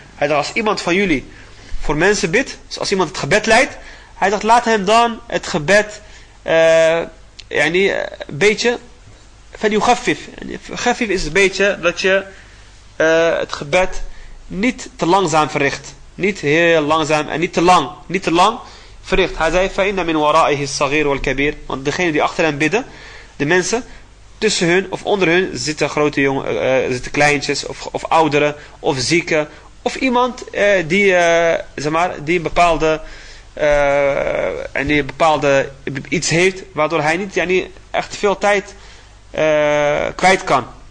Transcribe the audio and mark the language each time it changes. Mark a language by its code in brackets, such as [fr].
[nl] Hij zegt, als iemand van jullie voor mensen bidt, als iemand het gebed leidt, hij zegt, laat hem dan het gebed, yani, beetje, فليخفف, خفف is een beetje dat je het gebed niet te langzaam verricht. Niet heel langzaam en niet te lang. Niet te lang verricht. Hij zei, [ar] فَإِنَّ مِنْ وَرَائِهِ الصَّغِيرُ وَالْكَبِيرُ. [nl] Want degene die achter hem bidden, de mensen, tussen hun of onder hun, zitten grote jongen, zitten kleintjes of ouderen of zieken. Of iemand die een bepaalde iets heeft, waardoor hij niet yani, echt veel tijd kwijt kan.